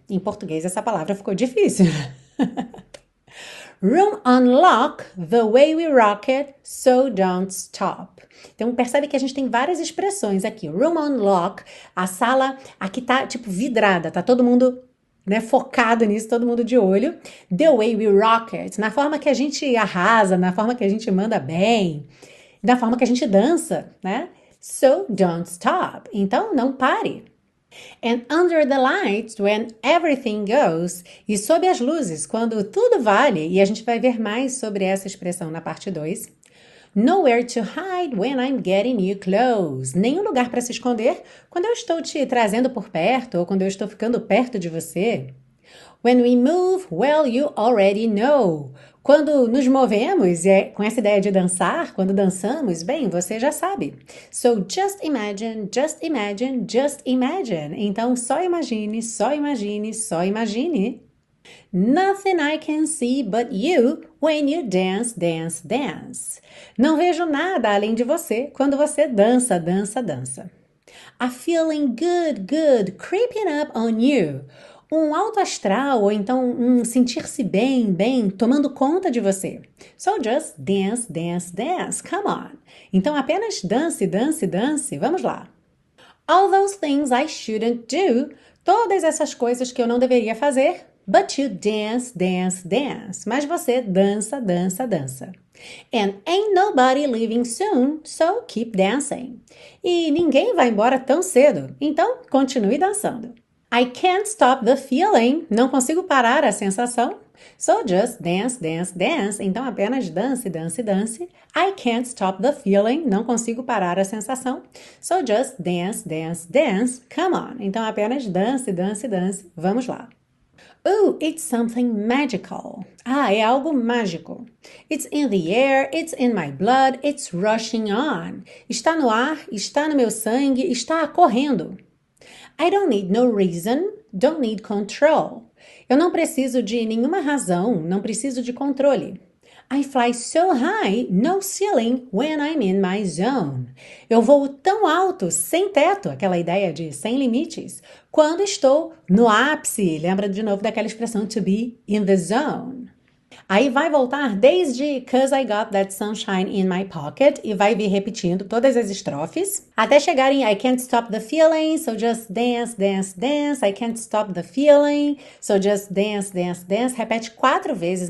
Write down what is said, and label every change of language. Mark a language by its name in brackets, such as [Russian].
[Portuguese] Em português, essa palavra ficou difícil. [English] Room unlock the way we rock it, so don't stop. [Portuguese] Então, percebe que a gente tem várias expressões aqui. [English] Room unlock, [Portuguese] a sala aqui tá tipo vidrada, tá todo mundo, né, focado nisso, todo mundo de olho. [English] The way we rock it, [Portuguese] na forma que a gente arrasa, na forma que a gente manda bem, na forma que a gente dança, né? [English] So don't stop. [Portuguese] Então, não pare. [English] And under the lights, when everything goes, [Portuguese] e sob as luzes, quando tudo vale, e a gente vai ver mais sobre essa expressão na parte 2. [English] Nowhere to hide when I'm getting you close. [Portuguese] Nenhum lugar para se esconder quando eu estou te trazendo por perto ou quando eu estou ficando perto de você. [English] When we move, well, you already know. [Portuguese] Quando nos movemos, com essa ideia de dançar, quando dançamos, bem, você já sabe. [English] So just imagine, just imagine, just imagine. [Portuguese] Então só imagine, só imagine, só imagine. [English] Nothing I can see but you when you dance, dance, dance. [Portuguese] Não vejo nada além de você quando você dança, dança, dança. [English] A feeling good, good, creeping up on you. [Portuguese] Um alto astral, ou então um sentir-se bem, bem, tomando conta de você. [English] So just dance, dance, dance, come on. [Portuguese] Então apenas dance, dance, dance, vamos lá. [English] All those things I shouldn't do, [Portuguese] todas essas coisas que eu não deveria fazer, [English] but you dance, dance, dance. [Portuguese] Mas você dança, dança, dança. [English] And ain't nobody leaving soon, so keep dancing. [Portuguese] E ninguém vai embora tão cedo, então continue dançando. [English] I can't stop the feeling. [Portuguese] Não consigo parar a sensação. [English] So just dance, dance, dance. [Portuguese] Então apenas dance, dance, dance. [English] I can't stop the feeling. [Portuguese] Não consigo parar a sensação. [English] So just dance, dance, dance. Come on. [Portuguese] Então apenas dance, dance, dance. Vamos lá. [English] Oh, it's something magical. [Portuguese] Ah, é algo mágico. [English] It's in the air, it's in my blood, it's rushing on. [Portuguese] Está no ar, está no meu sangue, está correndo. [English] I don't need no reason, don't need control. [Portuguese] Eu não preciso de nenhuma razão, não preciso de controle. [English] I fly so high, no ceiling, when I'm in my zone. [Portuguese] Eu voo tão alto, sem teto, aquela ideia de sem limites, quando estou no ápice. Lembra de novo daquela expressão [English] to be in the zone. [Portuguese] Aí vai voltar desde [English] 'cause I got that sunshine in my pocket' [Portuguese] e vai vir repetindo todas as estrofes até chegarem [English] 'I can't stop the feeling, so just dance, dance, dance. I can't stop the feeling, so just dance, dance, dance.' [Portuguese] Repete 4 vezes.